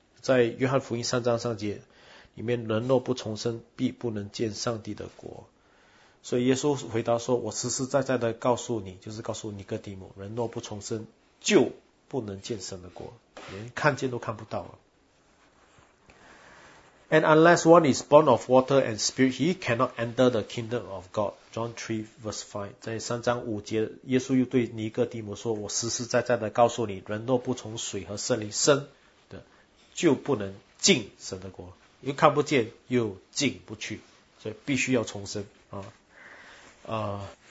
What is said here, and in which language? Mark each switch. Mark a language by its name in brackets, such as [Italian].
[Chinese] 在约翰福音三章三节里面，人若不重生，必不能见上帝的国。所以耶稣回答说，我实实在在的告诉你，就是告诉尼哥底母，人若不重生，就不能见神的国，连看见都看不到了。 [English] And unless one is born of water and spirit, he cannot enter the kingdom of God. John 3 verse 5. [Chinese] 在三章五节，耶稣又对尼哥底母说，我实实在在的告诉你，人若不从水和圣灵生的，就不能进神的国。又看不见，又进不去，所以必须要重生啊。